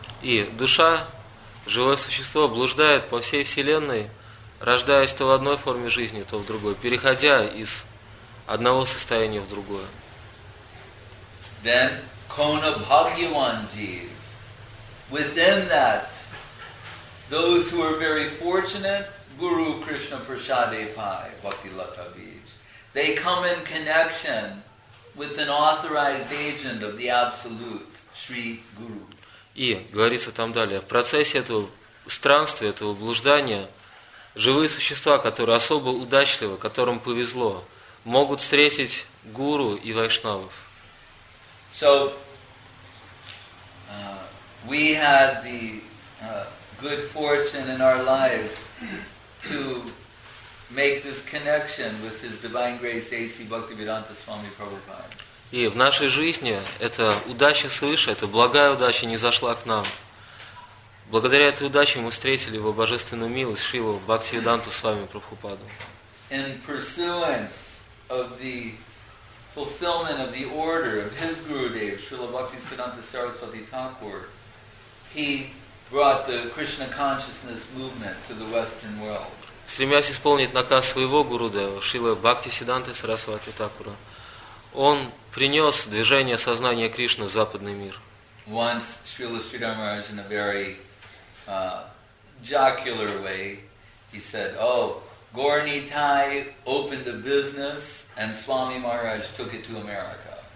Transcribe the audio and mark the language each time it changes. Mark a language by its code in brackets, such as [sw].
[ru] И душа, живое существо, блуждает по всей Вселенной, рождаясь то в одной форме жизни, то в другой, переходя из одного состояния в другое. [en] Then, [bn] Kona Bhagyavan Jeev, [en] within that, those who are very fortunate, [bn] Guru Krishna Prasade Pai, Bhakti Lata Beach, [en] they come in connection with an authorized agent of the Absolute, Sri Guru. [ru] И говорится там далее, в процессе этого странствия, этого блуждания, живые существа, которые особо удачливы, которым повезло, могут встретить Гуру и Вайшнавов. [en] So, we had the good fortune in our lives to make this connection with His Divine Grace A.C. Bhaktivedanta Swami Prabhupada. [ru] И в нашей жизни эта удача свыше, эта благая удача не зашла к нам. Благодаря этой удаче мы встретили Его Божественную Милость, Шрилу Бхактивиданту Свами Прабхупаду. [en] In pursuance of the fulfillment of the order of His Gurudev, Srila Bhaktisiddhanta Saraswati Thakur, He brought the Krishna consciousness movement to the Western world. [ru] Стремясь исполнить наказ своего Гурудева, Шрила Бхактисиддханты Сарасвати Такура, он принес движение сознания Кришны в западный мир. [en] Once Srila Sridhar Maharaj in a very jocular way, he said, oh, Gornitai opened a business and Swami Maharaj took it to America.